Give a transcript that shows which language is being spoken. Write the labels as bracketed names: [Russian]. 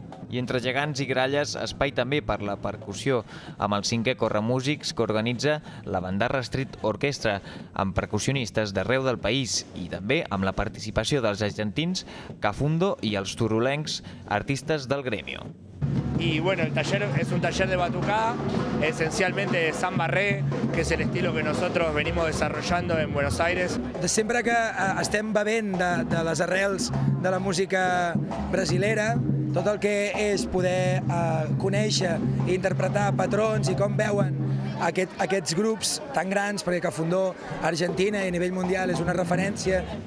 [Catalan] I entre gegants i gralles, espai també per la percussió, amb el 5è Corremúsics que organitza la Bandarra Street Orchestra, amb percussionistes d'arreu del país i també amb la participació dels argentins Cafundo i els turulencs, artistes del gremio. [Spanish] Y bueno, el taller es un taller de batucá, esencialmente de samba re, que es el estilo que nosotros venimos desarrollando en Buenos Aires. [Catalan] De sempre que estem bevent de les arrels de la música brasilera, tot el que és poder conèixer i interpretar patrons i com veuen aquests grups tan grans, perquè Cafundó Argentina i a nivell mundial és una referència.